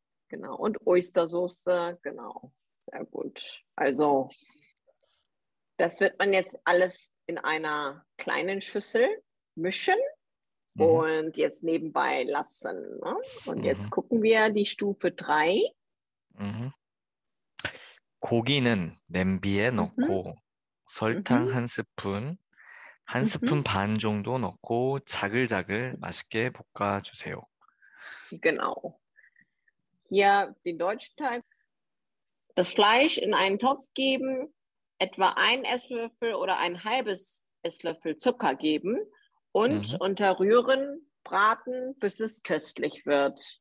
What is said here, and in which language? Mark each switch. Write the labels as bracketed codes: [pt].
[de] Genau. Und Oystersoße. Genau. Sehr gut. Also, das wird man jetzt alles in einer kleinen Schüssel mischen und jetzt nebenbei lassen. Ne? Und jetzt gucken wir die Stufe 3. [ko] 고기는 냄비에 넣고 설탕 한 스푼, 한 스푼 반 정도 넣고 자글자글 맛있게 볶아주세요. [de] Genau. Hier den deutschen Teil. Das Fleisch in einen Topf geben, etwa ein Esslöffel oder ein halbes Esslöffel Zucker geben und unterrühren, braten, bis es köstlich wird.